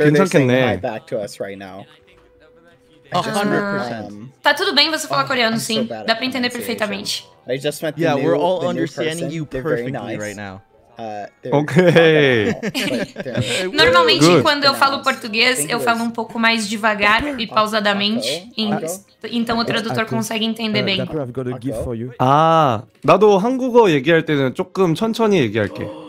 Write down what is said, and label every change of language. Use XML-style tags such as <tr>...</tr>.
<en>I'm sure they're saying hi back to us right now. 100%.</en> <pt>Tá tudo bem você falar coreano, sim. Dá pra entender perfeitamente.</pt> <en>I just met yeah, we're all understanding you perfectly right now. Okay.</en> <pt>Normalmente, quando eu falo português, eu falo um pouco mais devagar e pausadamente. Então o tradutor consegue entender bem.</pt> <ko>Ah, 나도 한국어 얘기할 때는 조금 천천히 얘기할게.</ko>